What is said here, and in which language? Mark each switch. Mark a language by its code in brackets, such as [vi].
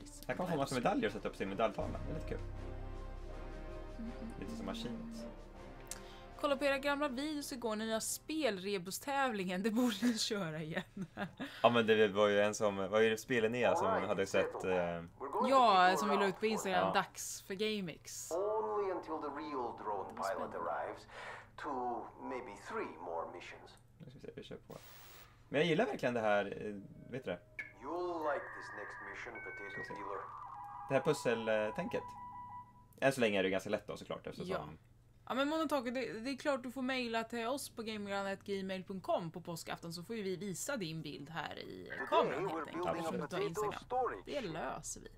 [sv] Här kan man få massa medaljer och sätta upp sin medaljtavla. Det är lite kul. Lite som Machines. Kolla på era gamla videos igår när ni har spelrebustävlingen. Det borde ni köra igen. Ja, men det var ju en som... Var ju Spelenia som hade sett... Ja, som vi la ut på Instagram. Ja. Dax för GameX. [en] Only until the real drone pilot arrives to maybe 3 more missions. [sv] Nu ska vi se, vi kör på. Men jag gillar verkligen det här... Vet du det? [en] You'll like this next mission, potato dealer. [sv] Det här pusseltänket. Än så länge är det ganska lätt då, såklart. Ja. Ja, men Monotalk, det är klart du får mejla till oss på gamergranet@gmail.com på påskafton, så får ju vi visa din bild här i kameran helt enkelt, eftersom du tar Instagram. Det löser vi.